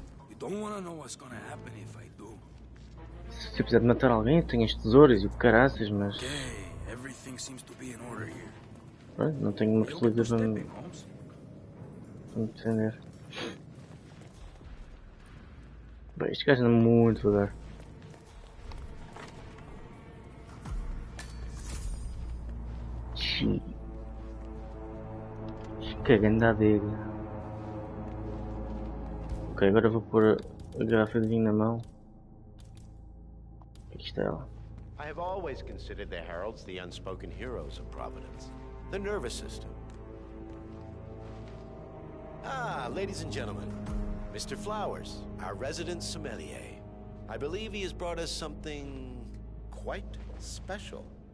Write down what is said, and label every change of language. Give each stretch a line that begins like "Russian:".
English: You don't want to know what's gonna happen if I do.
Portuguese: Se eu quiser matar alguém, eu tenho as tesouras e o caraças, mas.
English: Okay, everything seems to be in order here.
Portuguese: Não tenho uma facilidade para me entender. Bem, este gajo anda muito devagar. Que grande adega. Ok, agora vou pôr a garrafa de vinho na mão. Aqui está ela.
English: I have always considered the Heralds the unspoken heroes of Providence. The nervous system. Ah, ladies and gentlemen. Mr. Flowers, our resident sommelier. I believe he has brought us something quite special.